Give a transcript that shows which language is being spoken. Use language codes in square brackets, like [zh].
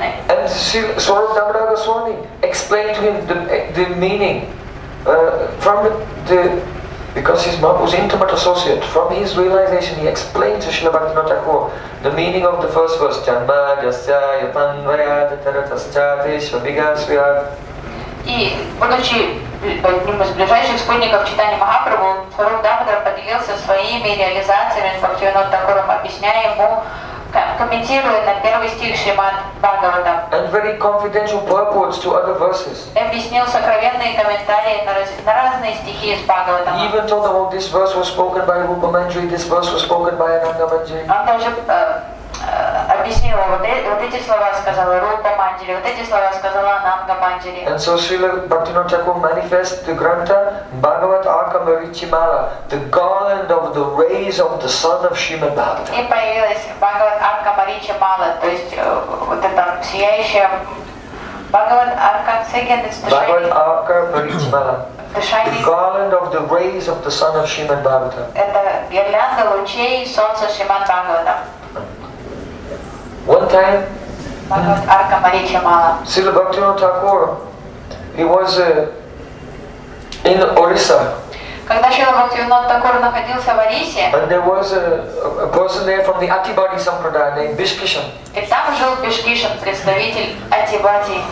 [en] And Swarup Damodara Swami explained to him the meaning from the because his mom was intimate associate from his realization he explained to Srila Bhaktivinoda Thakur the meaning of the first verse Janma Jasya Yatanvaya Tataratascha Te Shvabhigasvya [ru] И будучи одним из ближайших спутников Чайтаньи Махапрабху, Сваруп Дамодар поделился своими реализациями с Бхактивинодой Такуром, объясняя ему, комментируя на первый стих Шримад Бхагаватам. [en] And very confidential purports to other verses. [ru] Объяснил сокровенные комментарии на разные стихи из Бхагаватам. [en] Even told about this verse was spoken by Rupa Manjari, this verse was spoken by Ananda Manjari. [ru] Он также объяснил, вот эти слова сказала Рупа Манджари, вот эти слова сказала Ананда Манджари. [en] And so Srila Bhaktivinoda Thakur manifests the Grantha Bhagavat Akamarichimala, the garland of the rays of the sun of Srimad Bhagavatam. [ru] И появилась Бхагават Акамаричимала, то есть вот это сияющая Бхагават Акамаричимала. [en] The garland of the rays of the sun of Srimad Bhagavatam. [ru] Это гирлянда лучей солнца Шримад Бхагаватам. [en] One time, Srila Bhaktivinoda Thakur, he was in Orissa. [ru] Когда Srila Bhaktivinoda Thakur находился в Орисе, [en] and there was a person there from the Atibadi Sampradaya named Bishkishan. [ru] И там жил Бишкишан, представитель Атибади.